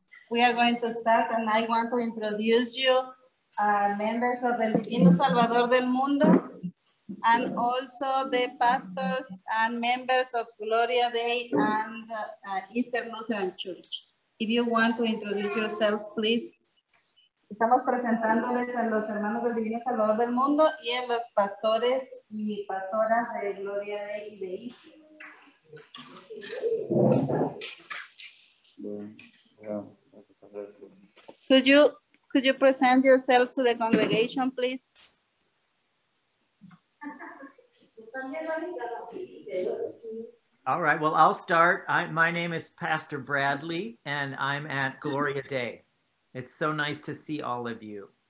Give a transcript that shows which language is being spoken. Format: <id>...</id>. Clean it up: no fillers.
<en>We are going to start, and I want to introduce you members of El Divino Salvador del Mundo, and also the pastors and members of Gloria Day and Eastern Lutheran Church. If you want to introduce yourselves, please.</en> <es>Estamos presentándoles a los hermanos del Divino Salvador del Mundo y a los pastores y pastoras de Gloria Day y de Eastern.</es> <en>Could you present yourselves to the congregation, please? All right, well, I'll start. My name is Pastor Bradley, and I'm at Gloria Day. It's so nice to see all of you.</en>